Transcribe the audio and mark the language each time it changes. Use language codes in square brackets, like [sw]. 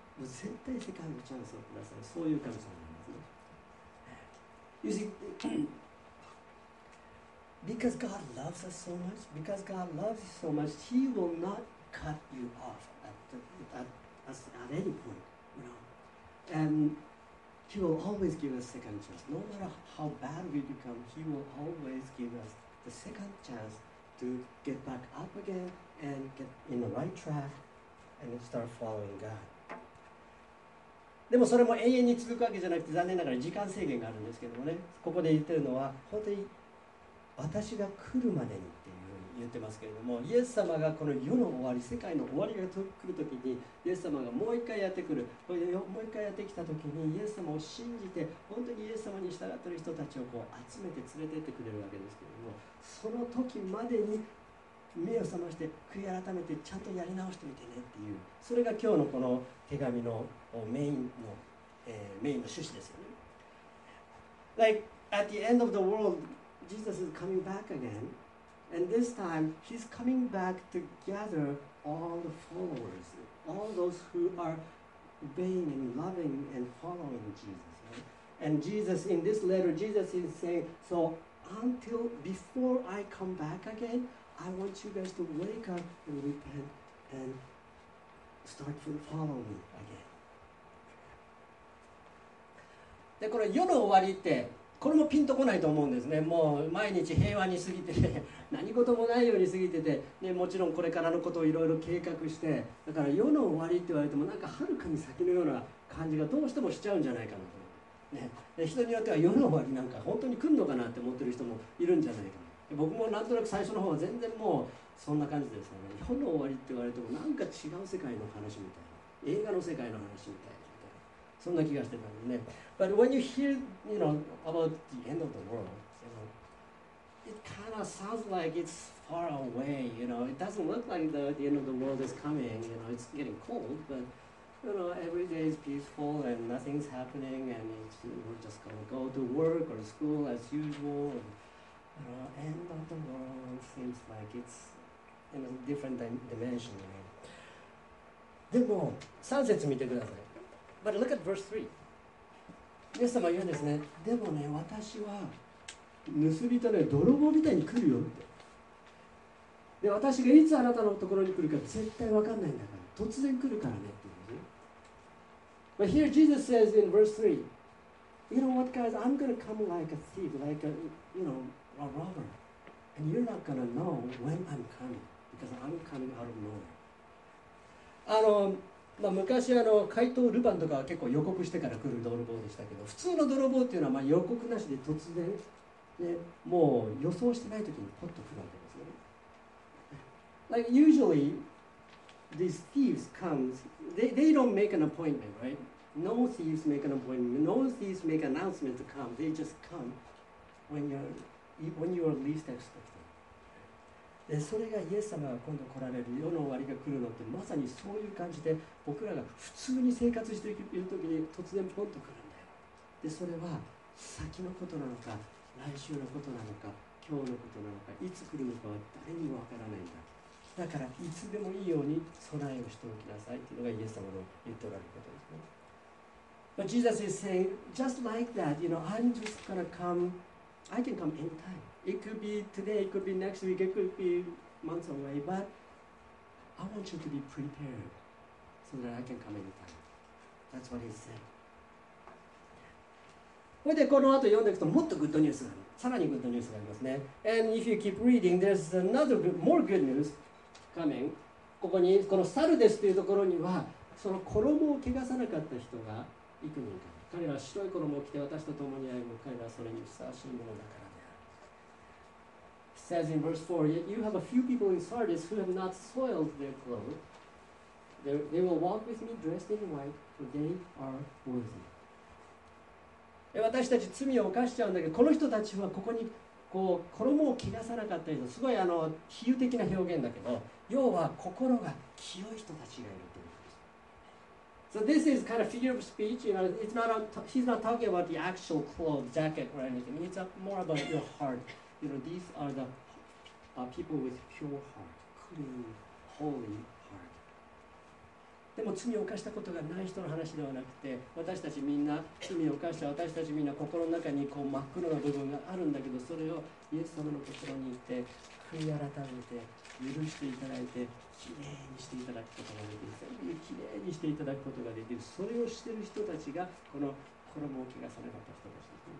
[ja] 絶対世界のチャンスをください。そういう神様なんですね。 [en] You see, because God loves us so much, because God loves you so much, He will not cut you off at any point, you know. And He will always give us second chance. No matter how bad we become, He will always give us the second chance to get back up again and get in the right track and start following God. [ja] でもそれも永遠に続くわけじゃなくて残念ながら時間制限があるんですけどもね、ここで言ってるのは本当に私が来るまでにっていうふうに言ってますけれども、イエス様がこの世の終わり、世界の終わりが来るときにイエス様がもう一回やってくる、もう一回やってきたときにイエス様を信じて本当にイエス様に従っている人たちをこう集めて連れてってくれるわけですけれども、その時までに目を覚まして悔い改めてちゃんとやり直してみてねっていう、それが今日のこの手紙のメインの趣旨ですよね。 [en] Like at the end of the world, Jesus is coming back again, and this time he's coming back to gather all the followers, all those who are obeying and loving and following Jesus, right? And Jesus in this letter, Jesus is saying, so until before I come back again, I want you guys to wake up and repent and start to follow me again. [ja] でこれ世の終わりってこれもピンとこないと思うんですね。もう毎日平和に過ぎてて、何事もないように過ぎてて、ね、もちろんこれからのことをいろいろ計画して、だから世の終わりって言われても、なんかはるかに先のような感じがどうしてもしちゃうんじゃないかなと、ね、で人によっては世の終わりなんか本当に来るのかなって思ってる人もいるんじゃないかな。僕もなんとなく最初の方は全然もうそんな感じですよね。世の終わりって言われてもなんか違う世界の話みたいな、映画の世界の話みたいな、そんな気がしてたんでね。 [en] But when you hear, you know, about the end of the world, you know, it kind of sounds like it's far away, you know. It doesn't look like the end of the world is coming, you know. It's getting cold, but, you know, every day is peaceful and nothing's happening and we're just going to go to work or school as usual. And, you know, end of the world seems like it's in a different dimension, you know. [ja] でも、3節見てください。 [en] But look at verse 3. [ja] イエス様は言うんですね。でもね、私は盗人ね、泥棒みたいに来るよって。で、私がいつあなたのところに来るか絶対分かんないんだから、突然来るからねっていうね。 [en] But here Jesus says in verse 3, you know what guys, I'm going to come like a thief, like a, you know, a robber, and you're not going to know when I'm coming because I'm coming out of nowhere. [ja] まあ、昔怪盗ルパンとかは結構予告してから来る泥棒でしたけど、普通の泥棒っていうのはまあ予告なしで突然、ね、もう予想してない時にポッと来るわけですよね。 [en] Like usually these thieves come, they don't make an appointment, right? No thieves make an appointment, no thieves make an announcement to come. They just come when you are least expected. [ja] でそれがイエス様が今度来られる、世の終わりが来るのってまさにそういう感じで、僕らが普通に生活している時に突然ポンと来るんだよ。でそれは先のことなのか、来週のことなのか、今日のことなのか、いつ来るのかは誰にもわからないんだ。だからいつでもいいように備えをしておきなさいというのがイエス様の言っておられることですね。 [en] But Jesus is saying, just like that, you know, I'm just gonna come, I can come anytimeIt could be today, it could be next week, it could be months away, but I want you to be prepared so that I can come anytime. That's what he said. [ja] それでこの後読んでいくと、もっとグッドニュースがある。さらにグッドニュースがありますね。 [en] And if you keep reading, there's another more good news coming. [ja] ここに、この猿ですというところには、その衣を汚さなかった人が幾人か。彼らは白い衣を着て私と共に歩む。彼らはそれにふさわしいものだから。 [en] Says in verse 4, yet you have a few people in Sardis who have not soiled their clothes. They will walk with me dressed in white, for they are worthy. [ja] 私たち罪を犯しちゃうんだけど、この人たちはここにこう衣を着なさなかったりと、すごい比喩的な表現だけど、要は心が清い人たちがいるということです。 [en] So this is kind of figure of speech. You know, it's not a, he's not talking about the actual clothes, jacket or anything. It's more about your heart. You know, these are the people with pure heart, clean, holy heart. [ja] でも罪を犯したことがない人の話ではなくて、私たちみんな罪を犯した、私たちみんな心の中にこう真っ黒な部分があるんだけど、それをイエス様のところに行って悔い改めて許していただいて、きれいにしていただくことができる、全部きれいにしていただくことができる、それをしている人たちがこの衣を汚さなかった人たちです。